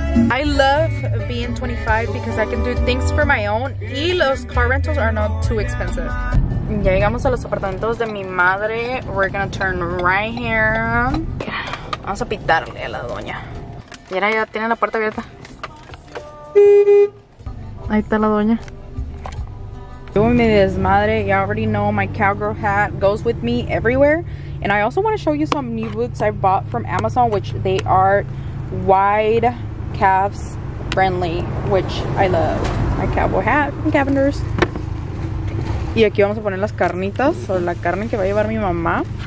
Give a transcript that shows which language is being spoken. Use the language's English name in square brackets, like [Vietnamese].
[English] I love being 25 because I can do things for my own y los car rentals are not too expensive. [Spanish] Ya llegamos a los apartamentos de mi madre. [English] We're gonna turn right here. [Spanish] Vamos a pitarle a la doña. Mira, ya tiene la puerta abierta. Ahí está la doña. [English] Doing me this, [Spanish] madre. [English] You already know my cowgirl hat goes with me everywhere. And I also want to show you some new boots I bought from Amazon, which they are wide calves friendly, which I love. My cowboy hat from Cavenders. [Spanish] Y aquí vamos a poner las carnitas, o la carne que va a llevar mi mamá.